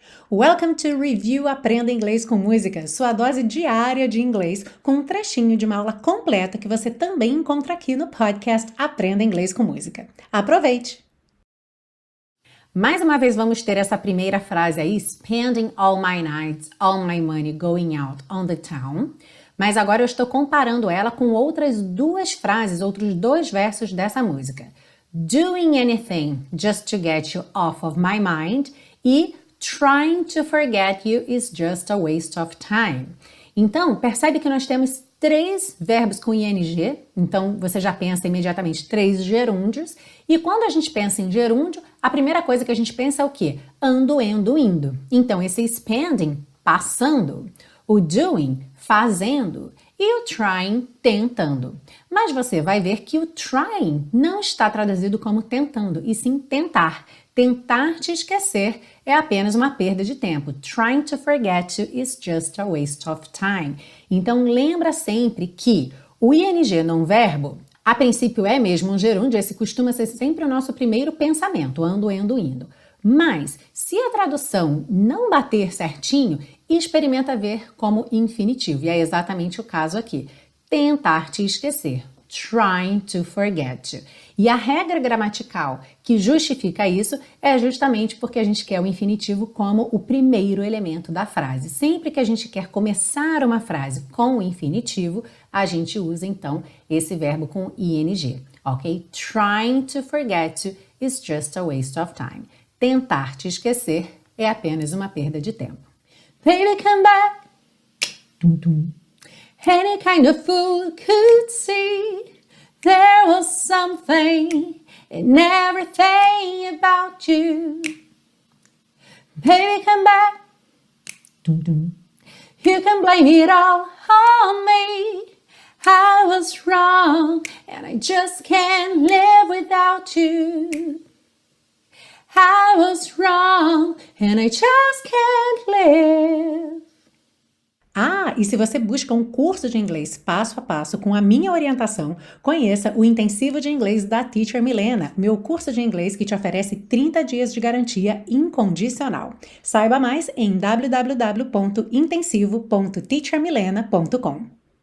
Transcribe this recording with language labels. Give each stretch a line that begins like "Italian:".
English: Welcome to
Portuguese: Review Aprenda Inglês com Música, sua dose diária de inglês, com um trechinho de uma aula completa que você também encontra aqui no podcast Aprenda Inglês com Música. Aproveite! Mais uma vez vamos ter essa primeira frase aí,
English: spending all my nights, all my money going out on the town.
Portuguese: Mas agora eu estou comparando ela com outras duas frases, outros dois versos dessa música.
English: Doing anything just to get you off of my mind e trying to forget you is just a waste of time.
Portuguese: Então, percebe que nós temos três verbos com ing, então você já pensa imediatamente três gerúndios. E quando a gente pensa em gerúndio, a primeira coisa que a gente pensa é o quê? Ando, endo, indo. Então, esse spending, passando, o doing, fazendo, e o trying, tentando. Mas você vai ver que o trying não está traduzido como tentando, e sim tentar. Tentar te esquecer é apenas uma perda de tempo.
English: Trying to forget you is just a waste of time.
Portuguese: Então, lembra sempre que o ing num verbo, a princípio é mesmo um gerúndio, esse costuma ser sempre o nosso primeiro pensamento, ando, endo, indo. Mas, se a tradução não bater certinho, experimenta ver como infinitivo. E é exatamente o caso aqui. Tentar te esquecer.
English: Trying to forget you.
Portuguese: E a regra gramatical que justifica isso é justamente porque a gente quer o infinitivo como o primeiro elemento da frase. Sempre que a gente quer começar uma frase com o infinitivo, a gente usa então esse verbo com ing, ok?
English: Trying to forget you is just a waste of time.
Portuguese: Tentar te esquecer é apenas uma perda de tempo.
English: Baby, come back! Tum, tum. Any kind of fool could see there was something in everything about you. Baby, come back. Dun, dun. You can blame it all on me. I was wrong and I just can't live without you. I was wrong and I just can't live.
Portuguese: Ah, e se você busca um curso de inglês passo a passo com a minha orientação, conheça o Intensivo de Inglês da Teacher Milena, meu curso de inglês que te oferece 30 dias de garantia incondicional. Saiba mais em www.intensivo.teachermilena.com.